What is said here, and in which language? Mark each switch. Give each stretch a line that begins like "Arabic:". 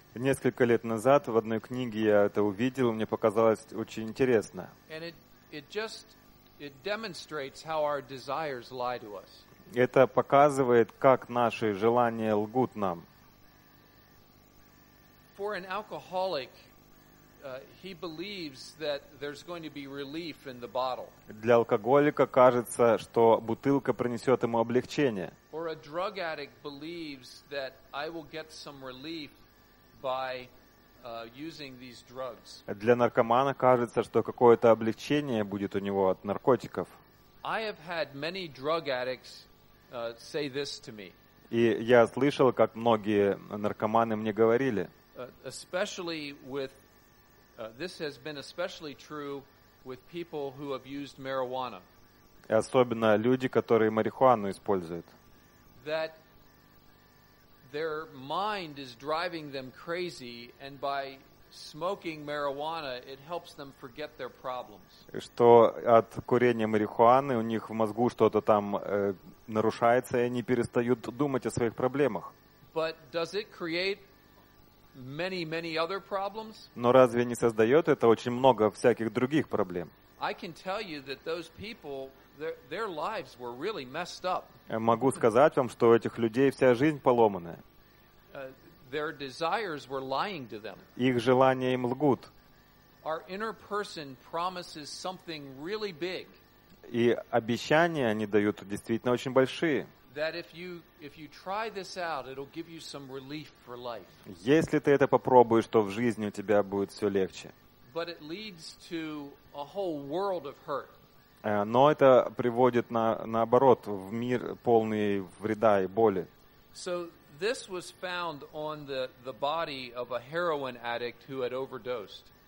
Russian: Несколько лет назад в одной книге я это увидел, мне показалось очень интересно.
English: And it demonstrates how our desires lie to us.
Russian: Это показывает, как наши желания лгут нам.
English: For an alcoholic, he believes that there's going to be relief in the bottle.
Russian: Для алкоголика кажется, что бутылка принесет ему облегчение.
English: Or a drug addict believes that I will get some relief by using these drugs.
Russian: Для наркомана кажется, что какое-то облегчение будет у него от наркотиков.
English: I have had many drug addicts say this to me.
Russian: И я слышал, как многие наркоманы мне говорили.
English: Especially with this has been especially true with people who have used marijuana.
Russian: Особенно люди, которые марихуану используют.
English: That their mind is driving them crazy, and by smoking marijuana, it helps them forget their problems.
Russian: Что от курения марихуаны у них в мозгу что-то там нарушается, и они перестают думать о своих проблемах.
English: But does it create many, many other problems?
Russian: Но разве не создает это очень много всяких других проблем?
English: I can tell you that those people, their lives were really messed up.
Russian: Могу сказать вам, что у этих людей вся жизнь поломанная.
English: Their desires were lying to them.
Russian: Их желания им лгут.
English: Our inner person promises something really big.
Russian: И обещания они дают действительно очень большие.
English: That if you try this out, it'll give you some relief for life.
Russian: Если ты это попробуешь, то в жизни у тебя будет все легче.
English: But it leads to a whole world of hurt.
Russian: Но это приводит наоборот в мир полный вреда и боли.
English: So this was found on the body of a heroin addict who had overdosed.